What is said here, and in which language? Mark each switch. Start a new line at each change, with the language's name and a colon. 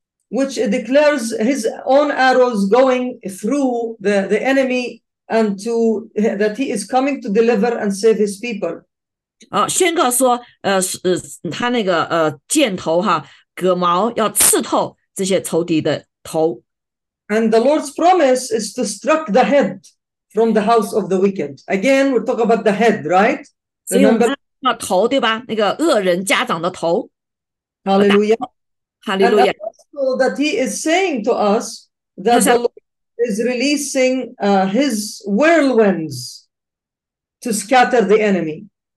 English: Which declares his own arrows going through the enemy and to that he is coming to deliver and save his people.
Chinese: 宣告说，他那个箭头哈，戈矛要刺透这些仇敌的头。
English: And the Lord's promise is to strike the head from the house of the wicked. Again, we talk about the head, right? Remember?
Chinese: 那头，对吧？那个恶人家长的头。
English: Hallelujah. Hallelujah. And also that he is saying to us that the Lord is releasing his whirlwinds to scatter the enemy.